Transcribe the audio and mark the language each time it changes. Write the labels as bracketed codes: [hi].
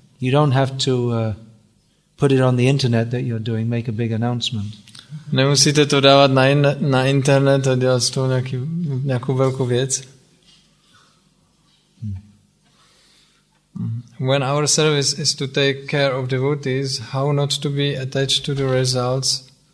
[en] You don't have to put it on the internet that you're doing, make a big announcement. [cs] Nemusíte to dávat na internet a dělat z toho nějakou velkou věc. [en] When our service is to take care of devotees, how not to be attached to the results?